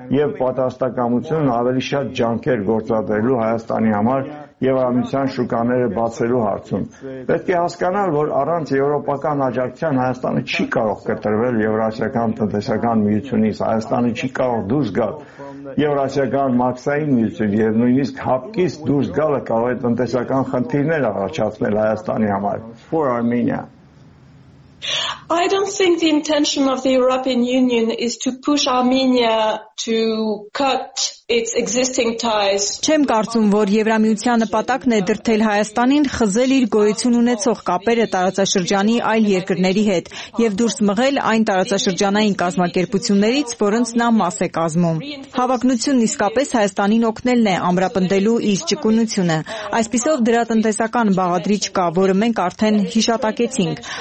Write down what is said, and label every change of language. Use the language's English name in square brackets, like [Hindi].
[Armenian] եւ պատասխանատվությունը ավելի շատ ջանքեր գործադրելու Հայաստանի համար Եվրամիության շուկաները բացելու հարցում։ Պետք է հասկանալ, որ առանց Եվրոպական աջակցության Հայաստանը չի կարող կտրվել Եվրասիական տնտեսական միությունից, Հայաստանը չի կարող դուրս գալ Եվրասիական մաքսային միություն, եւ նույնիսկ հապկից դուրս գալը կարող է տնտեսական խնդիրներ առաջացնել Հայաստանի համար։ [English] For Armenia. I don't think the intention of the European Union is to push Armenia to cut its existing ties. [Armenian] Չեմ կարծում, որ Եվրամիության նպատակն է դրդել Հայաստանին խզել իր գոյություն ունեցող կապերը տարածաշրջանի այլ երկրների հետ եւ դուրս մղել այն տարածաշրջանային կազմակերպություններից, որոնց նա մաս է կազմում։ Հավակնությունն իսկապես Հայաստանին օգնելն է ամրապնդելու իր ճկունությունը։ Այսպիսով դրա տնտեսական բաղադրիչ կա, որը մենք արդեն հիշատակեցինք։